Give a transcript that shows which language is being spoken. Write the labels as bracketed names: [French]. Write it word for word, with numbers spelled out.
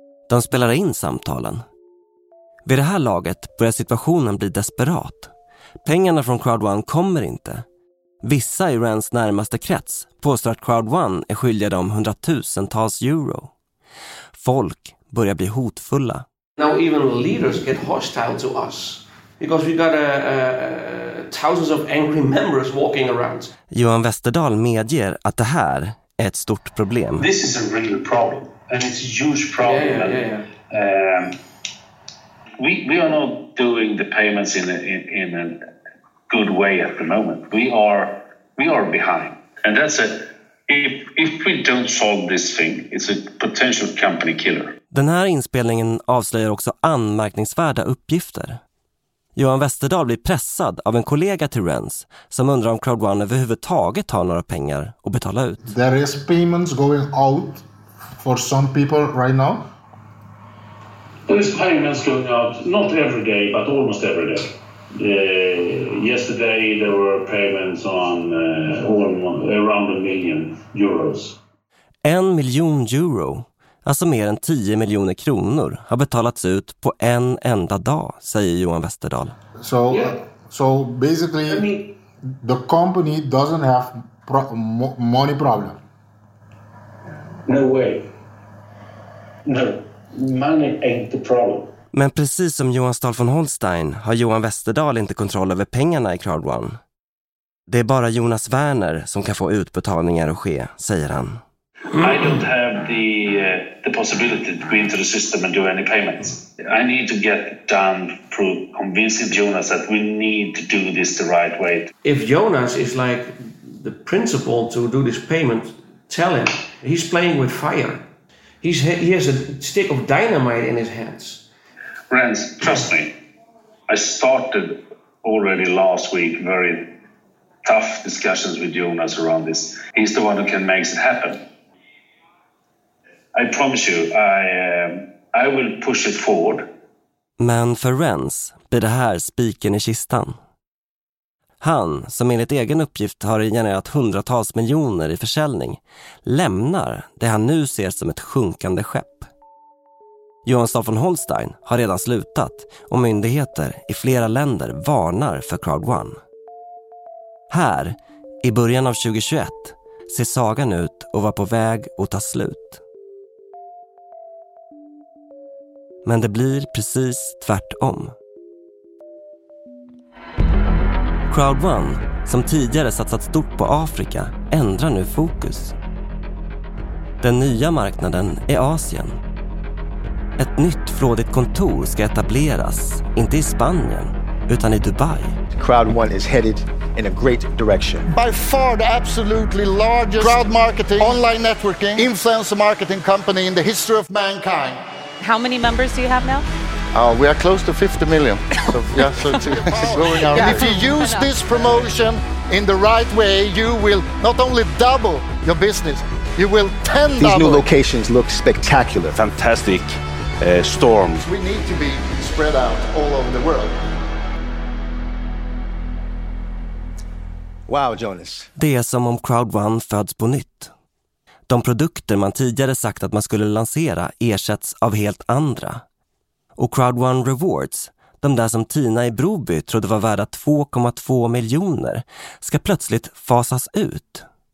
[Swedish] De spelar in samtalen. Vid det här laget börjar situationen bli desperat. Pengarna från Crowd one kommer inte. Vissa i Rens närmaste krets påstår att Crowd one är skyldiga dem hundratusentals euro. Folk börjar bli hotfulla. [English] Now even leaders get hostile to us. Because we got uh, uh, thousands of angry members walking around. [Swedish] Johan Westerdahl medger att det här är ett stort problem. [English] This is a real problem and it's a huge problem. Yeah, yeah, yeah. And, um, we we are not doing the payments in a, in in an good way at the moment. We are we are behind, and that's it. If, if we don't solve this thing, it's a potential company killer. [Swedish] Den här inspelningen avslöjar också anmärkningsvärda uppgifter. Johan Westerdahl blir pressad av en kollega till Rens som undrar om Crowd One överhuvudtaget har några pengar att betala ut. [English] There is payments going out for some people right now. There is payments going out, not every day, but almost every day. Uh, yesterday there were payments on uh, all, around a million euros. [Swedish] En miljon euro, alltså mer än tio miljoner kronor, har betalats ut på en enda dag, säger Johan Westerdahl. [English] So, yeah. so basically, I mean, the company doesn't have pro- money problem. No way. No, money ain't the problem. [Swedish] Men precis som Johan Stahl von Holstein har Johan Westerdahl inte kontroll över pengarna i Crowd One. Det är bara Jonas Werner som kan få utbetalningar att ske, säger han. [English] I don't have the uh, the possibility to go into the system and do any payments. I need to get done through convincing Jonas that we need to do this the right way. If Jonas is like the principal to do this payment, tell him he's playing with fire. He's he has a stick of dynamite in his hands. Friends, trust me, I started already last week very tough discussions with Jonas around this. He's the one who can make it happen. I promise you, I, um, I will push it forward. [Swedish] Men för Rens blir det här spiken i kistan. Han, som enligt egen uppgift har genererat hundratals miljoner i försäljning, lämnar det han nu ser som ett sjunkande skepp. Johan Stahl von Holstein har redan slutat och myndigheter i flera länder varnar för Crowd One. Här, i början av tjugohundratjugoett, ser sagan ut och var på väg att ta slut. Men det blir precis tvärtom. Crowd One, som tidigare satsat stort på Afrika, ändrar nu fokus. Den nya marknaden är Asien. Ett nytt frådigt kontor ska etableras, inte i Spanien, utan i Dubai. [English] Crowd One is headed in a great direction. By far the absolutely largest crowd marketing, online networking, influencer marketing company in the history of mankind. How many members do you have now? Uh, we are close to fifty million. So, yeah, so it's, it's going out. If you use this promotion in the right way, you will not only double your business, you will ten These double. New locations look spectacular. Fantastic. Uh, storms. We need to be spread out all over the world. Wow, Jonas. [Swedish] Det är som om Crowd One föds på nytt. De produkter man tidigare sagt att man skulle lansera ersätts av helt andra. Och Crowd One Rewards, de där som Tina i Broby trodde var värda två komma två miljoner, ska plötsligt fasas ut.